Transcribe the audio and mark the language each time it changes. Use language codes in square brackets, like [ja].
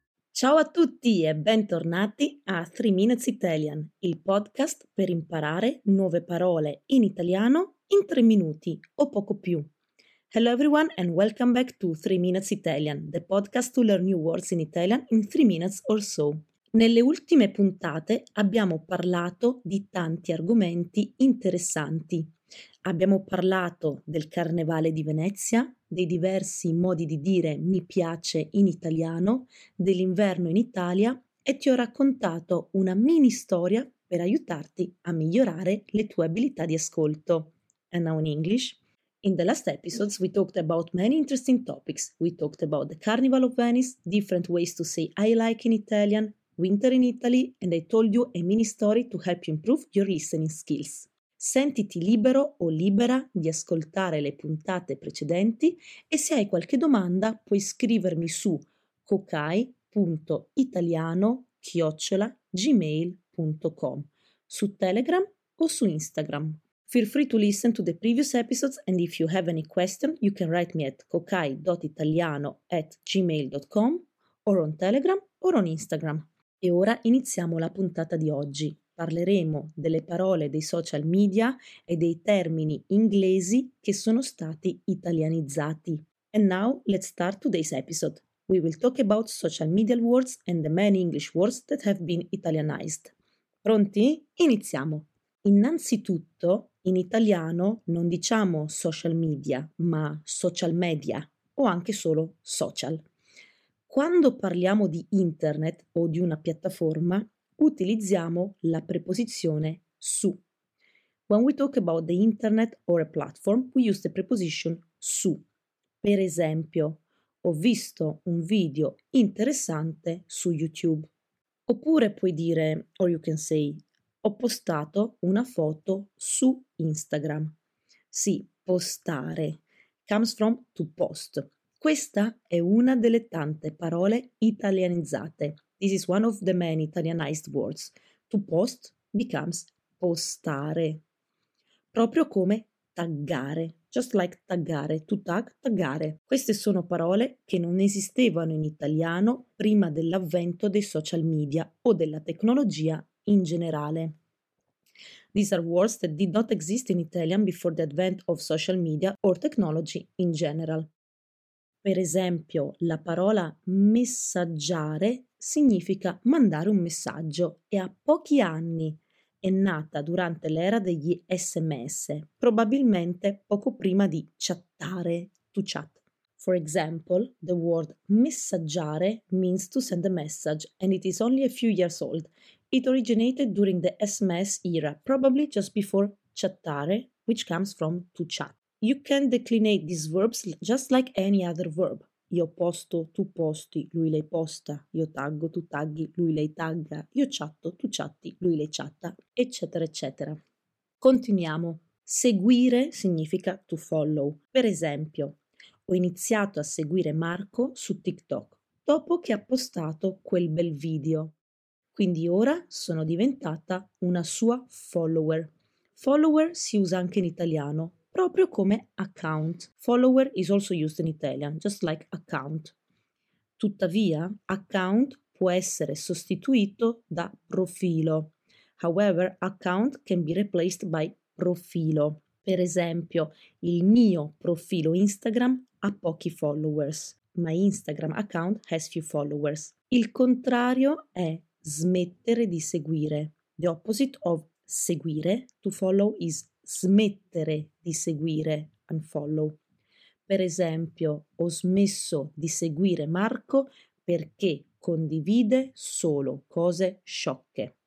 [it] Ciao a tutti e bentornati a 3 Minutes Italian, il podcast per imparare nuove parole in italiano in 3 minuti o poco più. [en] Hello everyone and welcome back to 3 Minutes Italian, the podcast to learn new words in Italian in 3 minutes or so. [it] Nelle ultime puntate abbiamo parlato di tanti argomenti interessanti. Abbiamo parlato del Carnevale di Venezia, dei diversi modi di dire mi piace in italiano, dell'inverno in Italia e ti ho raccontato una mini storia per aiutarti a migliorare le tue abilità di ascolto. [en] And now in English. In the last episodes we talked about many interesting topics. We talked about the Carnival of Venice, different ways to say I like in Italian, winter in Italy, and I told you a mini story to help you improve your listening skills. [it] Sentiti libero o libera di ascoltare le puntate precedenti e se hai qualche domanda puoi scrivermi su cocai.italiano@gmail.com, su Telegram o su Instagram. [en] Feel free to listen to the previous episodes and if you have any question you can write me at cocai.italiano@gmail.com or on Telegram or on Instagram. [it] E ora iniziamo la puntata di oggi. Parleremo delle parole dei social media e dei termini inglesi che sono stati italianizzati. [en] And now let's start today's episode. We will talk about social media words and the many English words that have been italianized. [it] Pronti? Iniziamo! Innanzitutto, in italiano non diciamo social media, ma social media o anche solo social. Quando parliamo di internet o di una piattaforma, utilizziamo la preposizione su. When we talk about the internet or a platform, we use the preposition su. Per esempio, ho visto un video interessante su YouTube. Oppure puoi dire, [en] or you can say, [it] ho postato una foto su Instagram. [en] Sì, postare. Comes from to post. [it] Questa è una delle tante parole italianizzate. [en] This is one of the many italianized words. To post becomes postare. [it] Proprio come taggare. [en] Just like taggare. To tag, taggare. [it] Queste sono parole che non esistevano in italiano prima dell'avvento dei social media o della tecnologia in generale. [en] These are words that did not exist in Italian before the advent of social media or technology in general. [it] Per esempio, la parola messaggiare significa mandare un messaggio e a pochi anni è nata durante l'era degli SMS, probabilmente poco prima di chattare, to chat. [en] For example, the word messaggiare means to send a message and it is only a few years old. It originated during the SMS era, probably just before chattare, which comes from to chat. You can declinate these verbs just like any other verb. [it] Io posto, tu posti, lui lei posta, io taggo, tu tagghi, lui lei tagga, io chatto, tu chatti, lui lei chatta, eccetera, eccetera. Continuiamo. Seguire significa to follow. Per esempio, ho iniziato a seguire Marco su TikTok dopo che ha postato quel bel video. Quindi ora sono diventata una sua follower. Follower si usa anche in italiano. Proprio come account. [en] Follower is also used in Italian, just like account. [it] Tuttavia, account può essere sostituito da profilo. [en] However, account can be replaced by profilo. [it] Per esempio, il mio profilo Instagram ha pochi followers. [en] My Instagram account has few followers. [it] Il contrario è smettere di seguire. [en] The opposite of seguire, to follow, is smettere di seguire, unfollow. [it] Per esempio, ho smesso di seguire Marco perché condivide solo cose sciocche.